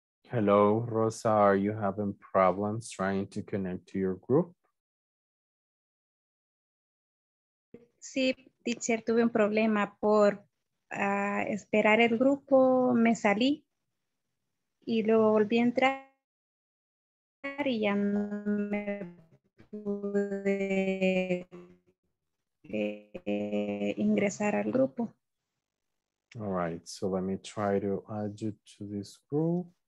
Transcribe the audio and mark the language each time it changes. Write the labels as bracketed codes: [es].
[en] Hello, Rosa, are you having problems trying to connect to your group? [es] Sí, teacher, tuve un problema por esperar el grupo, me salí y luego volví a entrar y ya no me pude ingresar al grupo. [en] All right, so let me try to add you to this group.